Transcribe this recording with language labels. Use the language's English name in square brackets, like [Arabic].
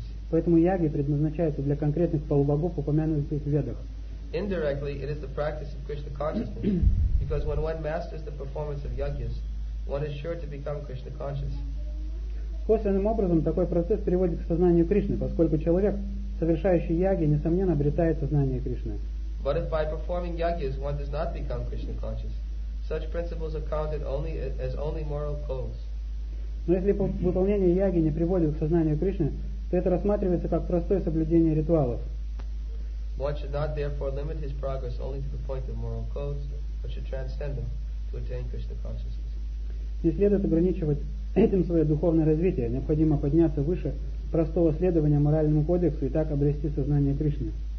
[Russian] Поэтому яги предназначаются для конкретных полубогов, упомянутых в Ведах. [English] Indirectly, it is the practice of Krishna consciousness, because when one masters the performance of yagyas, one is sure to become Krishna conscious. [Russian] Косвенным образом такой процесс приводит к сознанию Кришны, поскольку человек, совершающий яги, несомненно, обретает сознание Кришны. [English] But if by performing yagyas one does not become Krishna conscious, such principles are counted only as only moral codes. [Russian] Но если выполнение яги не приводит к сознанию Кришны, то это рассматривается как простое соблюдение ритуалов. [English] One should not therefore limit his progress only to the point of moral codes, but should transcend them to attain Krishna consciousness. [Russian] Не следует ограничивать этим свое духовное развитие, необходимо подняться выше простого следования моральному кодексу и так обрести сознание Кришны.